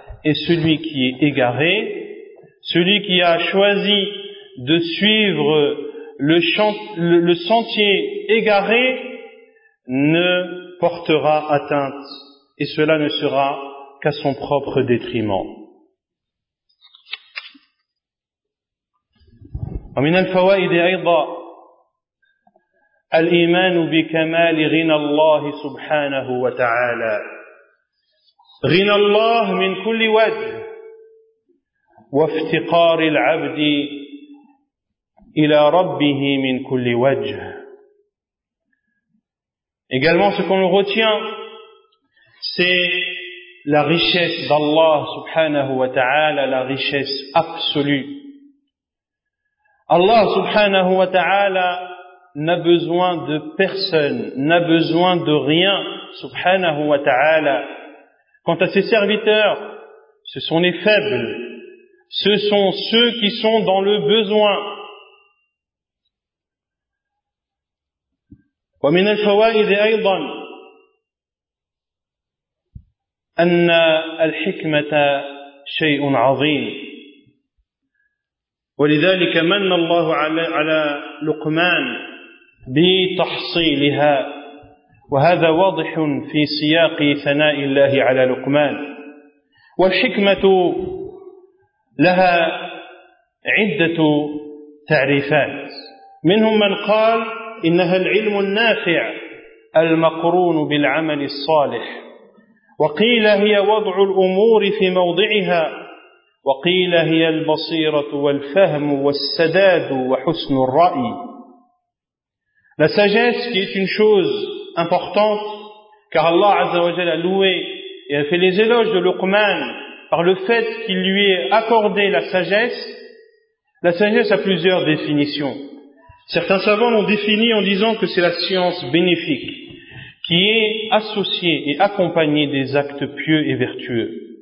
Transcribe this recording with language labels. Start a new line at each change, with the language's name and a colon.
French: Et celui qui est égaré, celui qui a choisi de suivre le sentier égaré, ne portera atteinte, et cela ne sera qu'à son propre détriment.
Arabic: ومن الفوائد أيضا الإيمان بكمال غنى الله سبحانه وتعالى. غنى الله من كل وجه وافتقار العبد إلى ربه من كل وجه.
French: Également, ce qu'on retient, c'est la richesse d'Allah subhanahu wa ta'ala, la richesse absolue. Allah subhanahu wa ta'ala n'a besoin de personne, n'a besoin de rien, subhanahu wa ta'ala. Quant à ses serviteurs, ce sont les faibles, ce sont ceux qui sont dans le besoin.
Arabic: ومن الفوائد أيضا أن الحكمة شيء عظيم ولذلك من الله على لقمان بتحصيلها وهذا واضح في سياق ثناء الله على لقمان والحكمة لها عدة تعريفات منهم من قال إنها العلم النافع المقرون بالعمل الصالح وقيل هي وضع الأمور في موضعها وقيل هي البصيرة والفهم والسداد وحسن الرأي.
French: La sagesse, qui est une chose importante, car Allah Azza wa Jalla a loué et a fait les éloges de Luqman par le fait qu'il lui ait accordé la sagesse. La sagesse a plusieurs définitions. Certains savants l'ont défini en disant que c'est la science bénéfique qui est associée et accompagnée des actes pieux et vertueux.